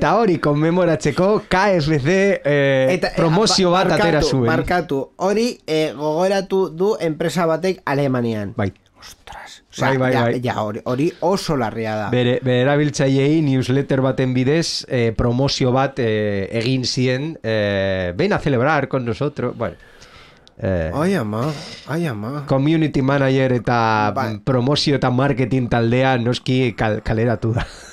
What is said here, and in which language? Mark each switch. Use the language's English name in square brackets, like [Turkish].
[Basque] Eta hori, konmemoratzeko KFC promozio bat atera zuen. Markatu, hori gogoratu du enpresa batek Alemanian. Bai. [Spanish] Ostras. [Basque] Bai. Ja, hori oso larria da. Bere erabiltzaileei newsletter baten bidez promozio bat egin zien. [Spanish] Ven a celebrar con nosotros. Bueno. [Basque] Ai ama. Community manager eta promozio eta marketing taldea noski kaleratu da.